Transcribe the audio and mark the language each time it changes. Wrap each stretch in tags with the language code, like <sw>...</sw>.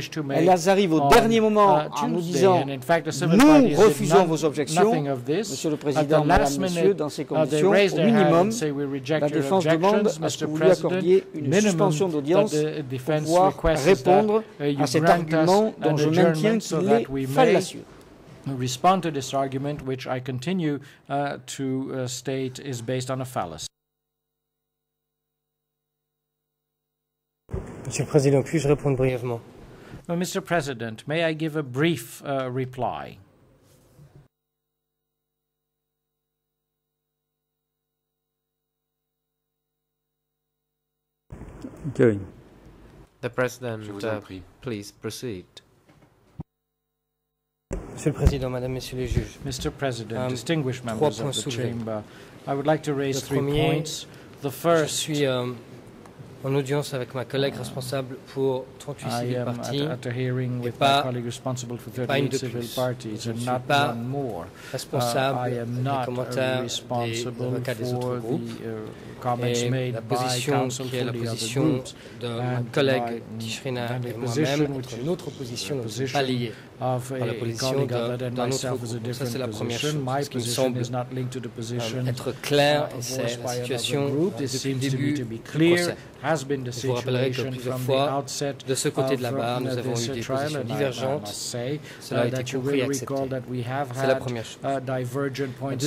<fr>Elles arrivent au dernier moment en nous disant, nous refusons vos objections, Monsieur le Président, Mesdames, Messieurs, dans ces conditions, au minimum, la défense demande à ce que vous lui accordiez une suspension d'audience pour pouvoir répondre à cet argument dont je maintiens qu'il est fallacieux.</fr> <en>Respond to this argument, which I continue to state is based on a fallacy.</en> <fr>Monsieur le Président, puis-je répondre brièvement?</fr> <en>Well, Mr. President, may I give a brief reply? Okay. The President, please proceed.</en> <fr>Monsieur le Président, Madame, Messieurs les Juges.</fr> <en>Mr. President, distinguished members of the chamber, I would like to raise three points. The first.</en> <fr>En audience avec ma collègue responsable pour 38 civils partis, et pas une de plus. Je ne suis pas responsable des commentaires des avocats des autres groupes, et la position qui est la position de ma collègue Tichriner et moi-même est une autre position, donc je ne suis pas liée.</fr> <en>of a colleague other than myself is a different position. My position is not linked to the position voiced by another group. This seems to me to be clear, has been the situation from the outset of this trial, and I must say that you will recall that we have had divergent points</en>